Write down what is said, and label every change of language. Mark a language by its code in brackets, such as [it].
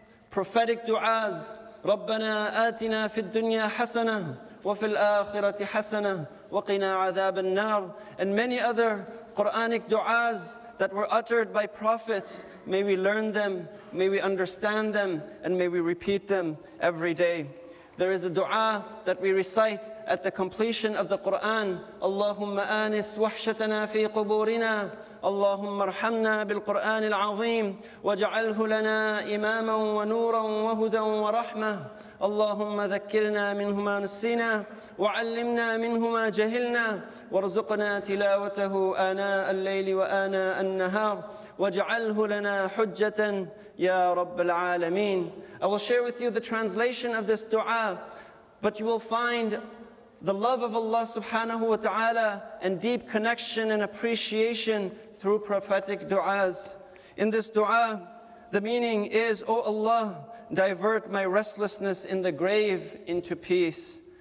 [en] Prophetic du'as. [ar] رَبَّنَا آتِنَا فِي الدُّنْيَا حَسَنَةً وَفِي الْآخِرَةِ حَسَنَةً وَقِنَا عَذَابَ النَّارِ. [en] And many other Quranic du'as that were uttered by prophets. May we learn them, may we understand them, and may we repeat them every day. There is a du'a that we recite at the completion of the Qur'an. [ar] اللهم آنس وحشتنا في قبورنا اللهم ارحمنا بالقرآن العظيم واجعله لنا إماما ونورا وهدى ورحمة اللهم ذكرنا منه ما نسينا وعلمنا منه ما جهلنا وارزقنا تلاوته آناء الليل وآناء النهار واجعله لنا حجة يا رب العالمين. [en] I will share with you the translation of this dua, but you will find the love of Allah [ar] subhanahu wa ta'ala [en] and deep connection and appreciation through prophetic du'as. In this du'a, the meaning is, O Allah, divert my restlessness in the grave into peace.